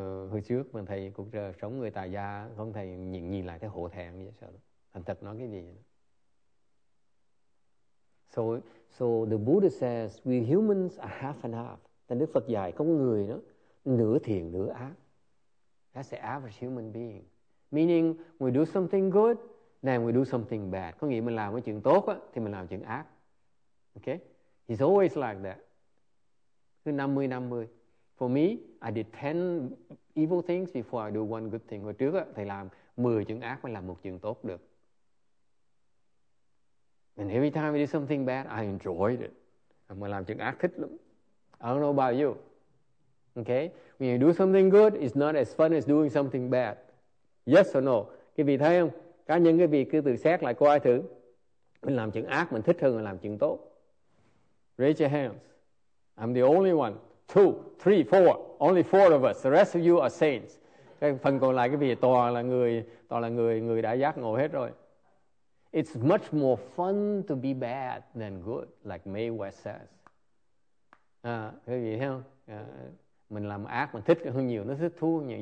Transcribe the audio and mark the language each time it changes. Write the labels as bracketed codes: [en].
[vi] Hồi trước mà thầy cũng sống người tài gia, không thầy nhìn lại thấy hổ thẹn vậy sao? Thành thật nói cái gì? [en] So the Buddha says we humans are half and half. [vi] Thành Đức Phật dạy có người đó nửa thiện nửa ác. [en] That's the average human being. Meaning we do something good, then we do something bad. [vi] Có nghĩa mình làm cái chuyện tốt á thì mình làm chuyện ác. [en] Okay? It's always like that. [vi] Cứ 50-50. [en] For me, I did 10 evil things before I do one good thing. [vi] Hồi trước á, thầy làm 10 chuyện ác mới làm một chuyện tốt được. [en] And every time I do something bad, I enjoyed it. [vi] Mà làm chuyện ác thích lắm. [en] I don't know about you. Okay? When you do something good, it's not as fun as doing something bad. Yes or no? [vi] Các vị thấy không? Cá nhân các vị cứ tự xét lại coi thử. Mình làm chuyện ác, mình thích hơn là làm chuyện tốt. [en] Raise your hands. I'm the only one. 2, 3, 4. Only 4 of us. The rest of you are saints. [vi] Cái phần còn lại các vị toàn là người đã giác ngộ hết rồi. [en] It's much more fun to be bad than good, like Mae West says. [vi] Các vị thấy không? Mình làm ác, mình thích hơn nhiều, nó thích thú hơn nhiều.